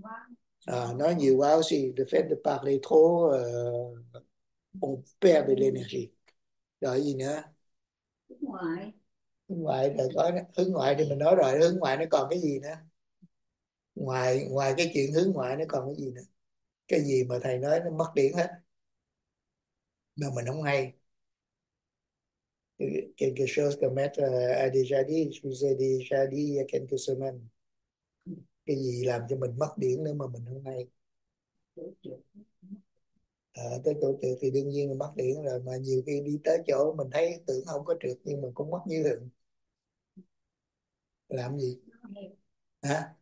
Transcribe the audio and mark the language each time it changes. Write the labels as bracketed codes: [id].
[vi] nữa. À, nói nhiều quá [fr] aussi, le fait de parler trop, on perd de l'énergie. [vi] Rồi gì nữa? ngoài Hướng ngoại thì mình nói rồi, hướng ngoại nó còn cái gì nữa? Ngoài ngoài cái chuyện hướng ngoại nó còn cái gì nữa? Cái gì mà thầy nói nó mất điển hết? Mà mình không hay. [fr] Quelque chose que maître a déjà dit, je vous ai déjà dit il y a quelques semaines. [vi] Cái gì làm cho mình mất điển nữa mà mình hôm nay tới chỗ trượt thì đương nhiên là mất điển rồi, mà nhiều khi đi tới chỗ mình thấy tưởng không có trượt nhưng mà cũng mất như thường. Làm gì hả?